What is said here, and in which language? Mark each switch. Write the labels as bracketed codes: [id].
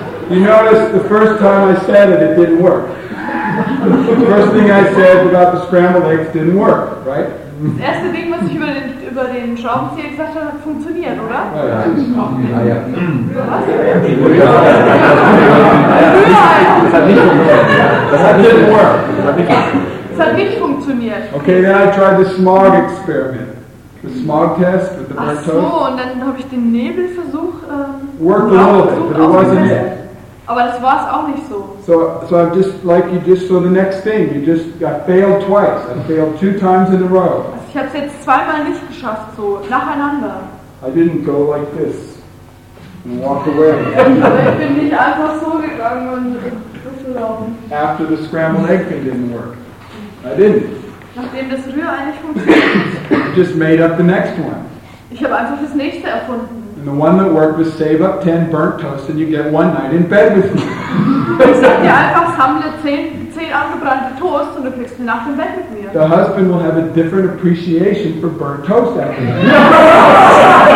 [en] You notice the first time I said it, it didn't work. The first thing I said about the scrambled eggs didn't work, right? [de] Das erste Ding, was ich über den Schraubenzieher gesagt habe, hat funktioniert, oder? Ja. Was? Das hat nicht funktioniert. [en] Okay, then I tried the smog experiment. The smog test with the burnt toast. [de] Ach so, und dann habe ich den Nebelversuch [en] worked a little bit, but it wasn't yet. [de] Aber das war es auch nicht so. [en] So I'm just like you. Just so the next thing, you just got failed twice. I failed 2 times in a row. [de] Also ich habe es jetzt 2 Mal nicht geschafft, so nacheinander. [en] I didn't go like this and walk away. [de] Ich bin nicht einfach so gegangen und rumgelaufen. [en] After the scrambled egg thing didn't work, I didn't. [de] Nachdem das Rührei nicht funktioniert. [en] I just made up the next one. [de] Ich habe einfach das nächste erfunden. [en] And the one that worked was save up 10 burnt toasts and you get one night in bed with me. The husband will have a different appreciation for burnt toast after that.